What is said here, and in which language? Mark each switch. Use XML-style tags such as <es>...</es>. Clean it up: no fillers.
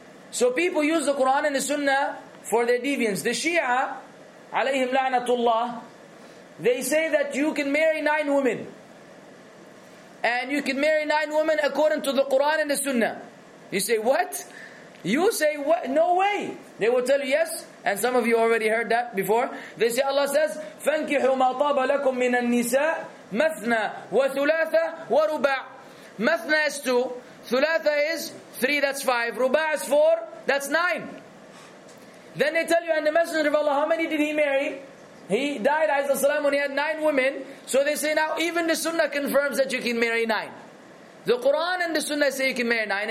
<en>So people use the Quran and the Sunnah for their deviance. The Shia, alayhim la'natullah, they say that you can marry 9 women. And you can marry 9 women according to the Quran and the Sunnah. You say, what? You say, what? No way. They will tell you, yes. And some of you already heard that before. They say, Allah says,</en> <ar>فَانْكِحُوا مَا طَابَ لَكُم مِّنَ النِّسَاءِ مَثْنَى وَثُلَاثَ وَرُبَعَ.</ar> <en>مَثْنَى is 2. ثُلَاثَ is 3, that's 5. رُبَعَ is 4, that's 9. Then they tell you, and the Messenger of Allah, how many did he marry? He died, alayhi salam, when he had 9 women. So they say, now even the Sunnah confirms that you can marry 9. The Quran and the Sunnah say you can marry 9.</en>